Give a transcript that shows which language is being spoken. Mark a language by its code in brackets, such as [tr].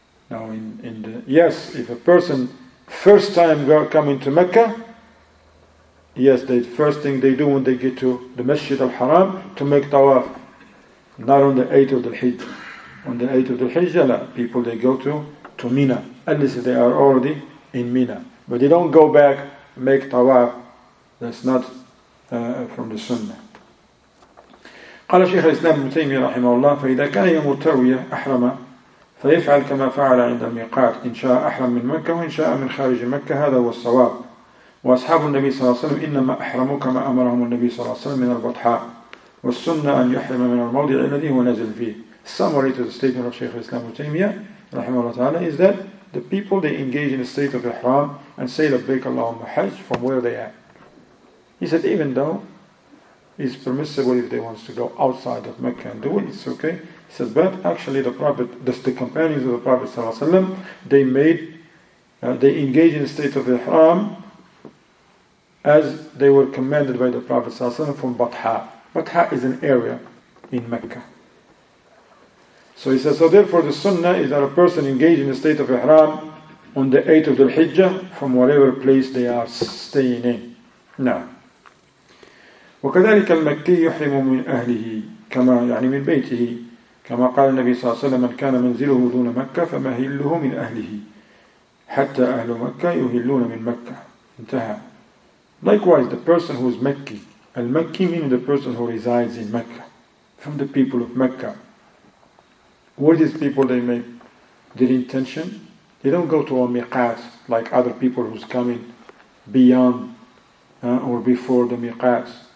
[en] Now, in the, yes, if a person first time coming to Mecca, yes, the first thing they do when they get to the Masjid al-Haram, to make tawaf. Not on the 8th of the Hijj. On the 8th of the Hijj, la, people they go to Mina. At least they are already in Mina. But they don't go back, make tawaf. That's not from the Sunnah. [ar] قال شيخ الإسلام ابن تيمية رحمه الله فإذا كان يوم التروية أحرم فيفعل كما فعل عند الميقات إن شاء أحرم من مكة وإن شاء من خارج مكة هذا هو الصواب وأصحاب النبي صلى الله عليه وسلم إنما أحرموا كما أمرهم النبي صلى الله عليه وسلم من البطحاء والسنة أن يحرم من الموضع الذي هو نازل فيه. [en] Summary to the statement of شيخ الإسلام ابن تيمية [ar] رحمه الله تعالى [en] is that the people they engage in a state of ihram and say [ar] لبيك اللهم حج [en] from where they are. He said even though it's permissible if they want to go outside of Mecca and do it, it's okay. He says, but actually the Prophet, the companions of the Prophet sallallahu alaihi wasallam, they engaged in the state of ihram as they were commanded by the Prophet sallallahu alaihi wasallam from Batha. Batha is an area in Mecca. So he says, so therefore the sunnah is that a person engaged in the state of ihram on the 8th of the Hijjah from whatever place they are staying in. [ar] Now, وكذلك المكي يحرم من أهله كما يعني من بيته كما قال النبي صلى الله عليه وسلم من كان منزله دون مكة فمهله من أهله حتى أهل مكة يهلون من مكة انتهى. [en] Likewise, the person who is Makki, al-Makki meaning the person who resides in Mecca, from the people of Mecca. What is people they make their intention? They don't go to a miqat like other people who's coming beyond or before the miqat.